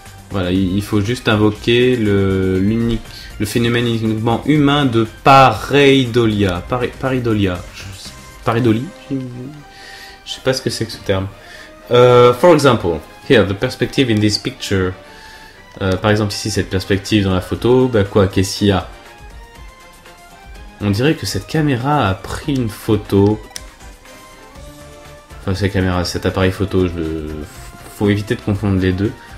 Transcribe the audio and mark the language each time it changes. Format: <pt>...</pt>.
<fr>Voilà, il faut juste invoquer le phénomène uniquement humain de pareidolia. Je sais pas ce que c'est que ce terme.</fr> <en>For example, here, the perspective in this picture.</en> <fr>Par exemple, ici, cette perspective dans la photo, qu'est-ce qu'il y a? On dirait que cette caméra a pris une photo. Enfin, cette caméra, cet appareil photo, faut éviter de confondre les deux.</fr>